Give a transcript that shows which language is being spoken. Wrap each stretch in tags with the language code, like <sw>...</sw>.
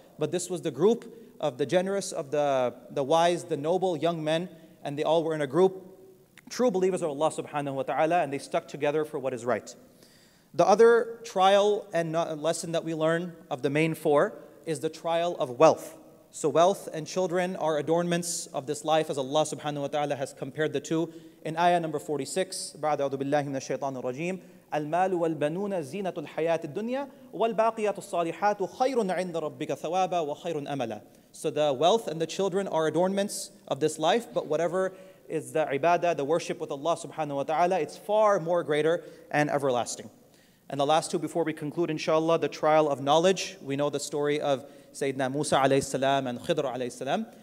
<en>But this was the group of the generous, of the wise, the noble young men, and they all were in a group, true believers of Allah subhanahu wa ta'ala, and they stuck together for what is right. The other trial and lesson that we learn of the main four is the trial of wealth. So wealth and children are adornments of this life, as Allah subhanahu wa ta'ala has compared the two. In ayah number 46,</en> <ar>بَعْدَ أَعُوذُ بِاللَّهِ مِنَ الشَّيْطَانِ الرَّجِيمِ الْمَالُ وَالْبَنُونَ زِينَةُ الْحَيَاةِ الدُّنْيَا وَالْبَاقِيَاتُ الصَّالِحَاتُ خَيْرٌ عِنْدَ رَبِّكَ ثَوَابًا وَخَيْرٌ أَمَلًا.</ar> <en>So the wealth and the children are adornments of this life, but whatever is the ibadah, the worship with Allah subhanahu wa ta'ala, it's far more greater and everlasting. And the last two before we conclude, inshallah, the trial of knowledge. We know the story of Sayyidina Musa alayhi salam and Khidr alayhi salam.</en>